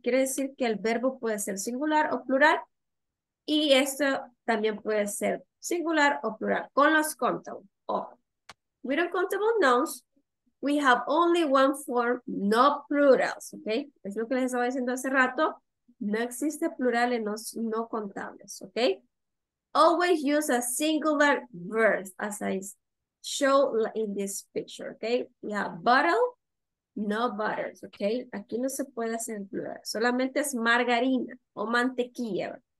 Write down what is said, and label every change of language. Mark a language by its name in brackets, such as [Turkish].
[Spanish] Quiere decir que el verbo puede ser singular o plural. Y esto también puede ser singular o plural. Con los countable. [English] With the countable nouns, we have only one form, no plurals. Okay? [Spanish] Es lo que les estaba diciendo hace rato. No existe plural en los no contables. Okay? [English] Always use a singular verb, as I said. Show in this picture, okay? We have bottle, no butters, okay? [Spanish] Aquí no se puede hacer en plural. Solamente es margarina o mantequilla.